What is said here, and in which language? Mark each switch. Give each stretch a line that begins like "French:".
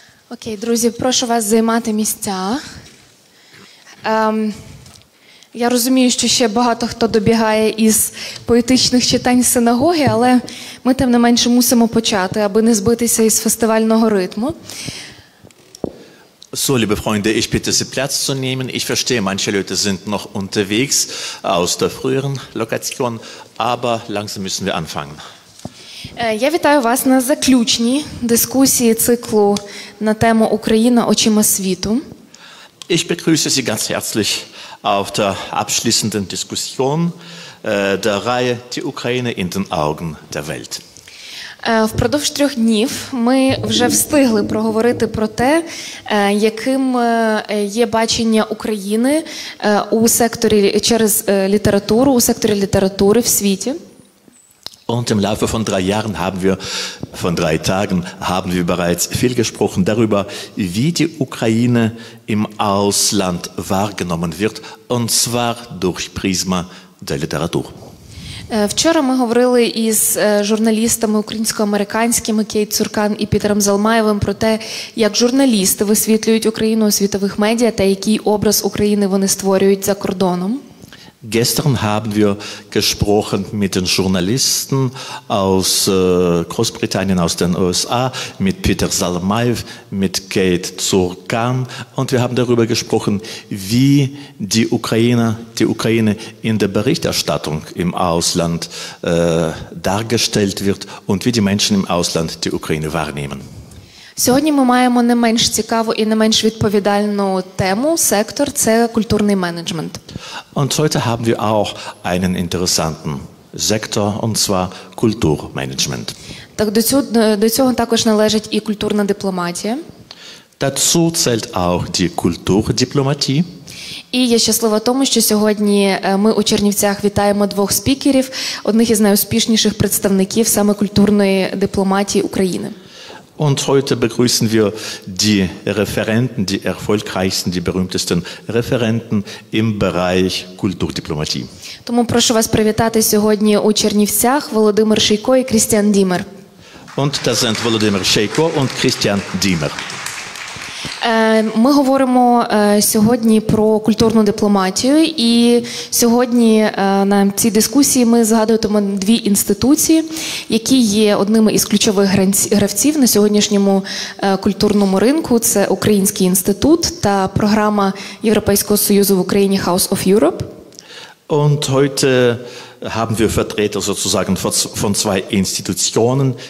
Ukrainian: Окей, друзі, прошу вас займати місця. Я розумію, що ще багато хто добігає із поетичних читань синагоги, але ми тим не менше мусимо почати, аби не збитися із фестивального ритму.
German: So, liebe Freunde, ich bitte Sie, Platz zu nehmen. Ich verstehe, manche Leute sind noch unterwegs aus der früheren Lokation, aber langsam müssen wir anfangen.
Ukrainian: Я вітаю вас на заключній дискусії циклу на тему «Україна очима світу».
German: Ich begrüße Sie ganz herzlich auf der abschließenden Diskussion der Reihe «Die Ukraine in den Augen der Welt».
Ukrainian: Впродовж трьох днів ми вже встигли проговорити про те, яким є бачення України у секторі через літературу, у секторі літератури в світі.
German: Und im Laufe von drei Jahren haben wir, von drei Tagen, haben wir bereits viel gesprochen darüber, wie die Ukraine im Ausland wahrgenommen wird, und zwar durch Prisma der Literatur.
Ukrainian: Вчора ми говорили із журналістами українсько-американськими Кейт Цуркан і Пітером Залмаєвим про те, як журналісти висвітлюють Україну у світових медіа та який образ України вони створюють за кордоном.
German: Gestern haben wir gesprochen mit den Journalisten aus Großbritannien, aus den USA, mit Peter Salmaev, mit Kate Zurkan. Und wir haben darüber gesprochen, wie die Ukraine in der Berichterstattung im Ausland dargestellt wird und wie die Menschen im Ausland die Ukraine wahrnehmen.
Ukrainian: Сьогодні ми маємо не менш цікаву і не менш відповідальну тему, сектор – це культурний менеджмент.
German: Und heute haben wir auch einen interessanten Sektor, und zwar Kulturmanagement.
Ukrainian: Так до цього також належить і культурна дипломатія.
German: Dazu zählt auch die Kulturdiplomatie.
Ukrainian: І я щаслива тому, що сьогодні ми у Чернівцях вітаємо двох спікерів, одних із найуспішніших представників саме культурної дипломатії України.
German: Und heute begrüßen wir die Referenten, die erfolgreichsten, die berühmtesten Referenten im Bereich Kulturdiplomatie.
Ukrainian: Тому прошу вас привітати сьогодні у Чернівцях Володимир Шейко і Крістіан Дімер.
German: Und das sind Володимир Шейко und Крістіан Дімер.
Ukrainian: Ми говоримо сьогодні про культурну дипломатію, і сьогодні на цій дискусії ми згадуємо дві інституції, які є одними із ключових гравців на сьогоднішньому культурному ринку. Це Український інститут та програма Європейського Союзу в Україні House of Europe.
German: Und heute haben wir Vertreter sozusagen von zwei Institutionen.